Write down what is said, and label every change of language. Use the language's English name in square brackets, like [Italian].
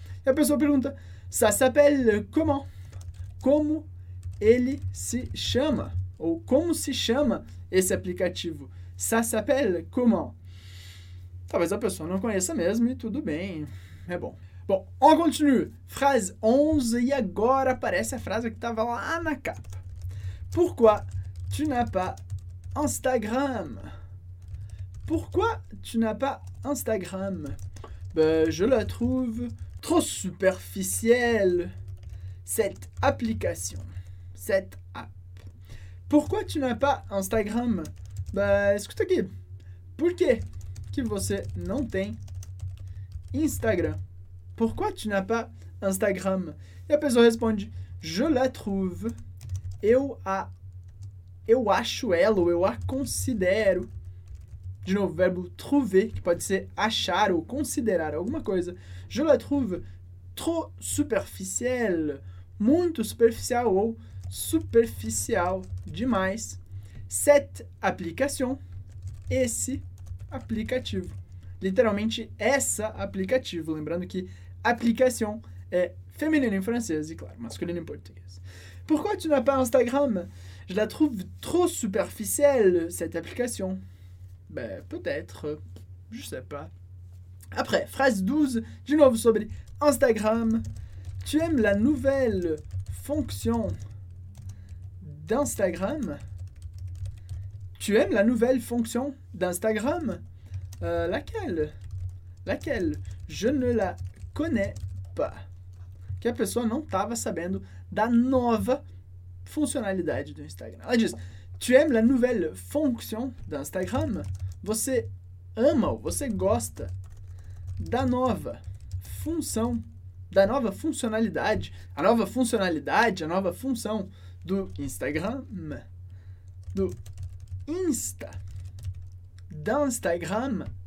[Portuguese] E a pessoa pergunta, [French] ça s'appelle comment? [Portuguese] Como ele se chama? Ou como se chama esse aplicativo? [French] Ça s'appelle comment? [Portuguese] Talvez a pessoa não conheça mesmo e tudo bem, é bom. Bom, [French] on continue. [Portuguese] Phrase 11 e agora aparece a frase que estava lá na capa. [French] Pourquoi tu n'as pas Instagram? Pourquoi tu n'as pas Instagram? Ben, je la trouve trop superficielle, cette application, cette app. Pourquoi tu n'as pas Instagram? [Portuguese] Ben, escuta aqui. Por quê? Que você não tem Instagram. [French] Pourquoi tu n'as pas Instagram? [Portuguese] E a pessoa responde, [French] je la trouve, [Portuguese] eu acho ela, ou eu a considero. De novo, verbo trouver, que pode ser achar ou considerar alguma coisa. [French] Je la trouve trop superficielle, [Portuguese] muito superficial ou superficial demais. [French] Cette application, [Portuguese] esse aplicativo. Literalmente, essa aplicativo. Lembrando que application é feminino em francês e, claro, masculino em português. [French] Pourquoi tu n'as pas Instagram? Je la trouve trop superficielle, cette application. Ben, peut-être. Je sais pas. Après, phrase 12, [Portuguese] de novo sobre Instagram. [French] Tu aimes la nouvelle fonction d'Instagram? Tu aimes la nouvelle fonction d'Instagram? Laquelle? Laquelle? Je ne la connais pas. [Portuguese] Que a pessoa não estava sabendo da nova funcionalidade do Instagram. Ela diz: [French] Tu aimes la nouvelle fonction d'Instagram? [Portuguese] Você ama ou você gosta da nova função, da nova funcionalidade? A nova funcionalidade, a nova função do Instagram? Do Insta? D'Instagram?